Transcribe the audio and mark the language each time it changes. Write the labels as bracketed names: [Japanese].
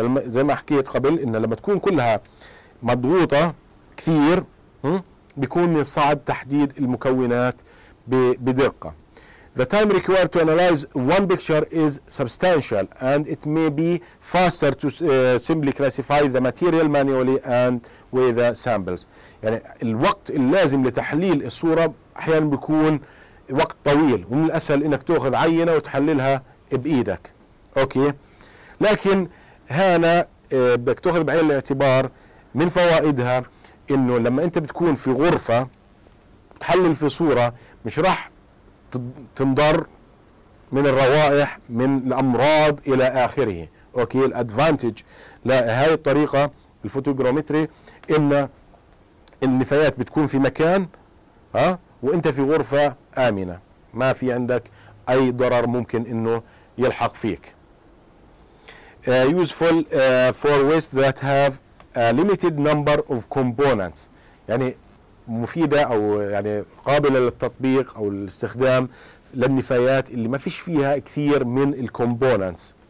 [Arabic] زي ما حكيت قبل ان لما تكون كلها مضغوطه كثير بيكون من الصعب تحديد المكونات بدقه. [English] The time required to analyze one picture is substantial and it may be faster to simply classify the material manually and with the samples. [Arabic] يعني الوقت اللازم لتحليل الصورة أحيانا بيكون وقت طويل، ومن الأسهل إنك تأخذ عينة وتحللها بإيدك. أوكي، لكن هنا بدك تأخذ بعين الاعتبار من فوائدها إنه لما أنت بتكون في غرفة تحلل في صورة مش راح تنضر من الروائح من الأمراض إلى آخره. أوكي، الأدفانتج لهذه الطريقة الفوتوغرامتري إن النفايات بتكون في مكان وإنت في غرفة آمنة، ما في عندك أي ضرر ممكن إنه يلحق فيك. [English] Useful for waste that have a limited number of components. [Arabic] يعني مفيدة أو يعني قابلة للتطبيق أو الاستخدام للنفايات اللي ما فيش فيها كثير من الكومبوننتس.